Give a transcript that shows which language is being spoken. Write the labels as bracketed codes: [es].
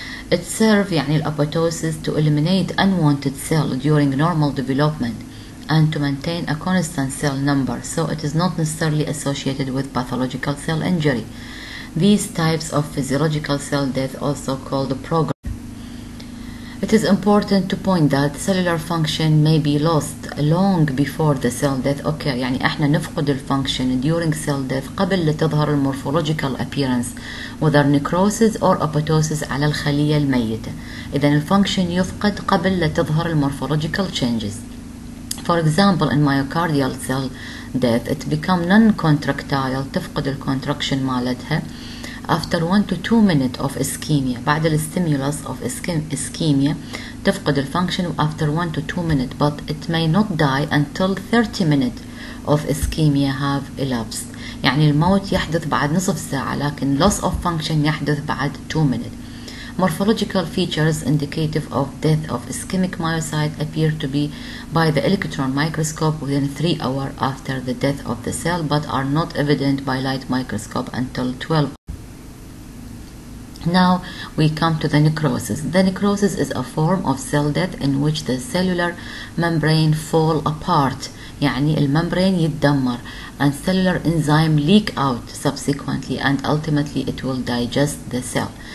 [en] It serves يعني apoptosis to eliminate unwanted cell during normal development and to maintain a constant cell number, so it is not necessarily associated with pathological cell injury. These types of physiological cell death also called the program. It is important to point that cellular function may be lost long before the cell death occurs. [ar] يعني احنا نفقد الفانكشن [en] during cell death [ar] قبل لتظهر المورفولوجيكال ابييرنس [en] whether necrosis or apoptosis [ar] على الخلية الميتة. اذا الفانكشن يفقد قبل لتظهر المورفولوجيكال changes. [en] For example, in myocardial cell death, it becomes non-contractile, [ar] تفقد الكونتراكشن مالتها [en] after 1 to 2 minutes of ischemia. [ar] بعد الستيمولس [en] of ischemia [ar] تفقد الفانكشن [en] after 1 to 2 minutes, but it may not die until 30 minutes of ischemia have elapsed. [ar] يعني الموت يحدث بعد نصف ساعة, لكن [en] loss of function [ar] يحدث بعد 2 minutes. [en] Morphological features indicative of death of ischemic myocyte appear to be by the electron microscope within 3 hours after the death of the cell, but are not evident by light microscope until 12. Now we come to the necrosis. The necrosis is a form of cell death in which the cellular membrane fall apart, [ar] يعني الممبرين يتدمر, [en] and cellular enzyme leak out subsequently, and ultimately it will digest the cell.